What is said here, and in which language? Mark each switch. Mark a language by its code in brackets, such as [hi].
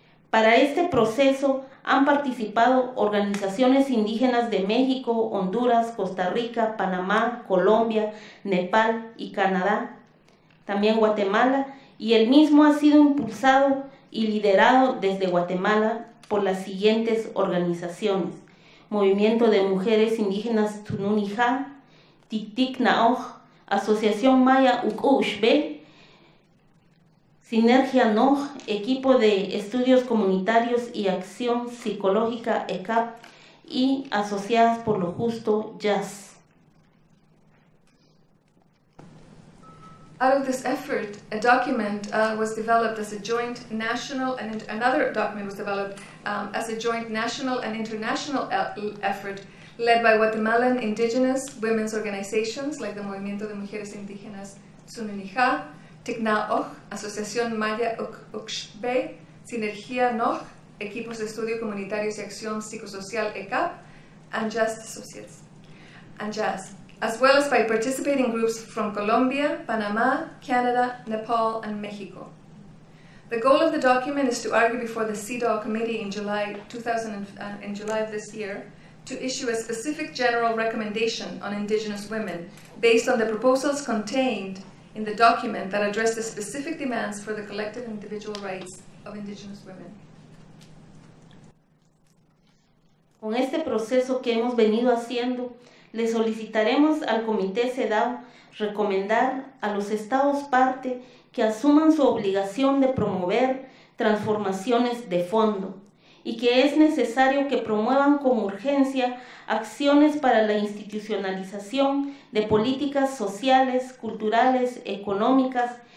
[es] Para este proceso han participado organizaciones indígenas de México, Honduras, Costa Rica, Panamá, Colombia, Nepal y Canadá, también Guatemala, y el mismo ha sido impulsado y liderado desde Guatemala por las siguientes organizaciones: Movimiento de Mujeres Indígenas Tsununija, Tiktik Naoj, Asociación Maya Ukushbe, Sinergia Noj, Equipo de Estudios Comunitarios y Acción Psicológica ECAP y Asociadas por lo Justo JAS. [en] Out of this effort, a document was developed as a joint national, and another document was developed as a joint national and international effort led by Guatemalan indigenous women's organizations like the Movimiento de Mujeres Indígenas Tsununija, Tiknaoj, Asociación Maya Ukshbe, Sinergia Noj, Equipos de Estudio Comunitarios y Acción Psicosocial ECAP, and JAS Associates, and JAS, as well as by participating groups from Colombia, Panama, Canada, Nepal, and Mexico. The goal of the document is to argue before the CEDAW Committee in July of this year to issue a specific general recommendation on Indigenous women based on the proposals contained in the document that addressed the specific demands for the collective individual rights of Indigenous women. [es] Con este proceso que hemos venido haciendo, le solicitaremos al Comité CEDAW recomendar a los estados parte que asuman su obligación de promover transformaciones de fondo y que es necesario que promuevan con urgencia acciones para la institucionalización de políticas sociales, culturales, económicas,